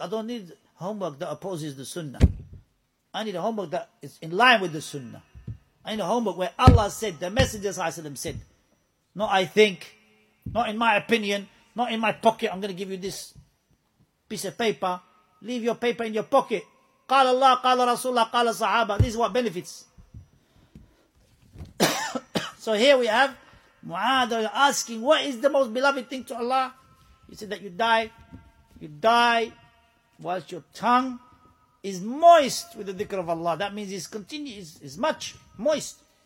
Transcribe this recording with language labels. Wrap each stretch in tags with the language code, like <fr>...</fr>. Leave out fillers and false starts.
<en>I don't need homework that opposes the sunnah. I need a homework that is in line with the sunnah. I need a homework where Allah said, the Messenger said, not I think, not in my opinion, not in my pocket, I'm going to give you this piece of paper. Leave your paper in your pocket.</en> <ar>قال الله قال رسول الله قال صحابة.</ar> <en>This is what benefits. So here we have Mu'adh asking, what is the most beloved thing to Allah? He said that you die whilst your tongue is moist with the dhikr of Allah. That means it's much moist.</en>